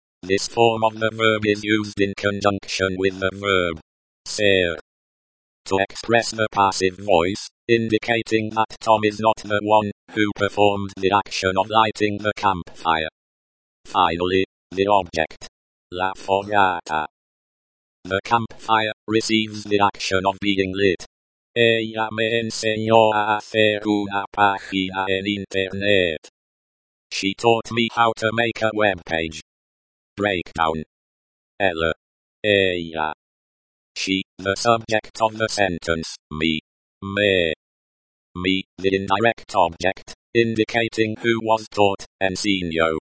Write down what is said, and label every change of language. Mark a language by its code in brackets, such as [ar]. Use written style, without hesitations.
[en] This form of the verb is used in conjunction with the verb ser, to express the passive voice, indicating that Tom is not the one who performed the action of lighting the campfire. Finally, the object, la fogata. The campfire receives the action of being lit. [es] Ella me enseñó a hacer una página en internet. [en] She taught me how to make a webpage. Breakdown. Ella. Ella. She, the subject of the sentence, me. Me. Me, the indirect object, indicating who was taught, enseñó.